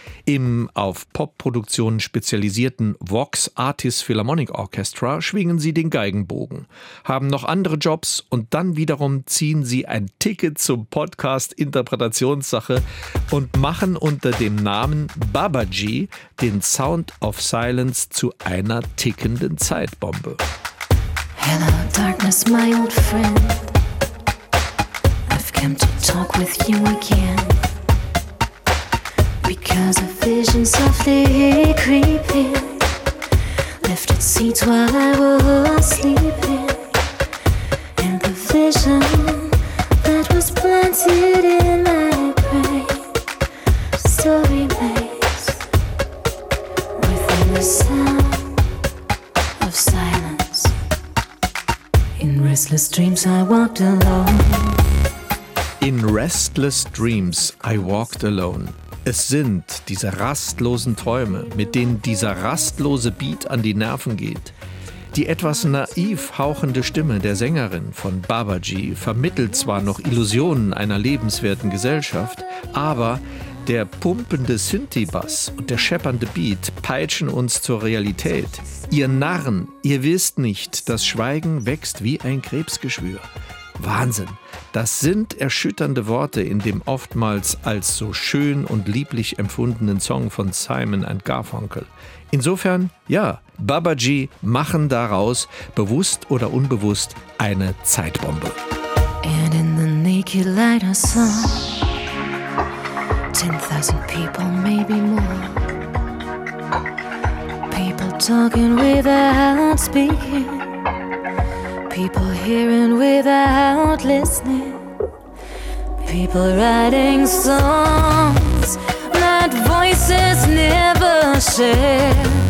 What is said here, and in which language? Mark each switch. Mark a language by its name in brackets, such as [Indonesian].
[German] Im auf Popproduktionen spezialisierten Vox Artis Philharmonic Orchestra schwingen sie den Geigenbogen, haben noch andere Jobs und dann wiederum ziehen sie ein Ticket zum Podcast Interpretationssache und machen unter dem Namen Babaji den Sound of Silence zu einer tickenden Zeitbombe. [English] Hello darkness, my old friend. Come to talk with you again. Because a vision softly creeping left its seeds while I was sleeping. And the vision that was planted in my brain still remains within the sound of silence. In restless dreams I walked alone. In Restless Dreams I Walked Alone. [German] Es sind diese rastlosen Träume, mit denen dieser rastlose Beat an die Nerven geht. Die etwas naiv hauchende Stimme der Sängerin von Babaji vermittelt zwar noch Illusionen einer lebenswerten Gesellschaft, aber der pumpende Synthi-Bass und der scheppernde Beat peitschen uns zur Realität. Ihr Narren, ihr wisst nicht, das Schweigen wächst wie ein Krebsgeschwür. Wahnsinn! Das sind erschütternde Worte in dem oftmals als so schön und lieblich empfundenen Song von Simon & Garfunkel. Insofern, ja, Babaji machen daraus, bewusst oder unbewusst, eine Zeitbombe. [English] And in the naked light I saw 10,000 people, maybe more. People talking without speaking. People hearing without listening. People writing songs that voices never share.